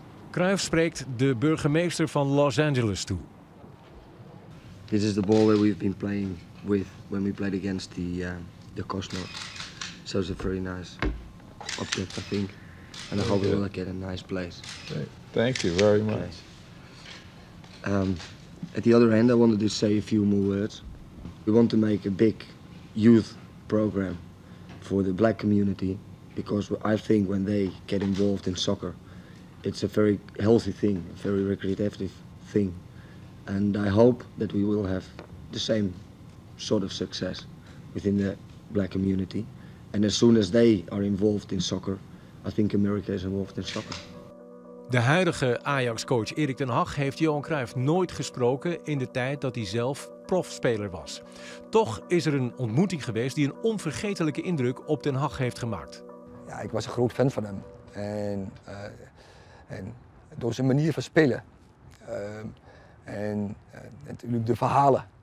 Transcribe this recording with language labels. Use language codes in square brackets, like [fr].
[nl] Cruijff spreekt de burgemeester van Los Angeles toe. [en] This is the ball that we've been playing with when we played against the Cosmos. So it's a very nice object, I think. And I hope we will get a nice place. Thank you very much. At the other end, I wanted to say a few more words. We want to make a big youth program for the black community, because I think when they get involved in soccer, it's a very healthy thing, a very recreative thing. And I hope that we will have the same sort of success within the black community. And as soon as they are involved in soccer, I think America is involved in soccer. [nl] De huidige Ajax-coach Erik ten Hag heeft Johan Cruijff nooit gesproken in de tijd dat hij zelf profspeler was. Toch is er een ontmoeting geweest die een onvergetelijke indruk op ten Hag heeft gemaakt. Ja, ik was een groot fan van hem. En door zijn manier van spelen en natuurlijk de verhalen.